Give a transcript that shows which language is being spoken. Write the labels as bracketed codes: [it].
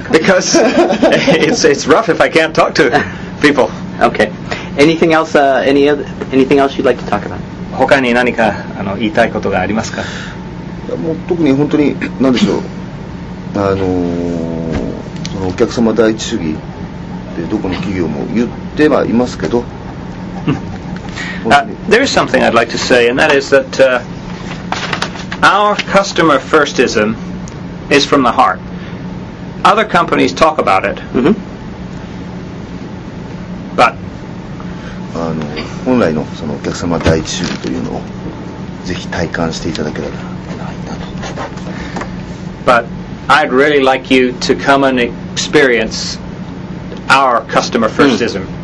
[en] Because it's rough if I can't talk to people. Okay. Anything else? Anything else you'd like to talk about? [ja] 他に何かあの言いたいことがありますか。もう特に本当に何でしょう。そのお客様第一主義でどこの企業も言ってはいますけど。 [en] There is something I'd like to say, and that is that our customer firstism. Is from the heart. Other companies talk about it,、 mm-hmm. but [ja] 本来のそのお客様第一主義というのをぜひ体感していただければいいなと。 [en] But I'd really like you to come and experience our customer firstism、mm-hmm.